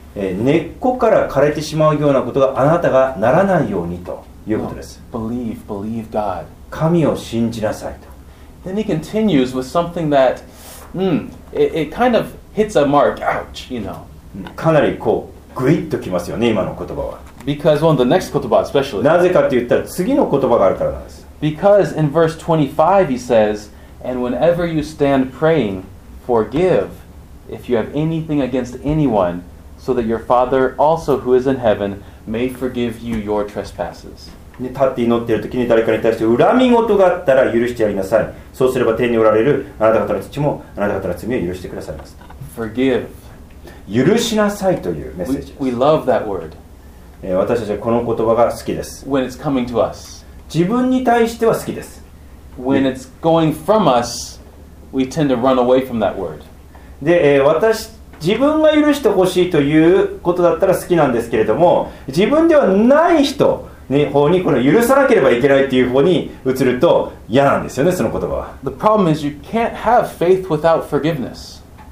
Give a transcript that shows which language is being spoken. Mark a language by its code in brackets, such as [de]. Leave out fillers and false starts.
[ja] 根っこから枯れてしまうようなことがあなたがならないようにということです。 [en] No, believe, believe God. [ja] 神を信じなさいと。 [en] Then he continues with something that, it kind of hits a mark. Ouch, you know. [ja] かなりこうグイッときますよね、今の言葉は。 [en] Because well, the next 言葉 especially. [ja] なぜかって言ったら次の言葉があるからなんです。 [en] Because in verse 25 he says, and whenever you stand praying. Forgive if you have anything against anyone, so that your Father also who is in heaven may forgive you your trespasses. [ja] 立って祈っている時に誰かに対して恨み事があったら許してやりなさい。そうすれば天におられるあなた方の父もあなた方の罪を許してくださいます。 [en] Forgive. [ja] 許しなさいというメッセージです。 [en] We love that word. [ja] 私たちはこの言葉が好きです。 [en] When it's coming to us. [ja] 自分に対しては好きです。 [en] When it's going from us. We tend to run away from that word. [ja] で、私自分が許してほしいということだったら好きなんですけれども、自分ではない人の方にこの許さなければいけないという方に移ると嫌なんですよね、その言葉は。 [en] The problem is you can't have faith without forgiveness.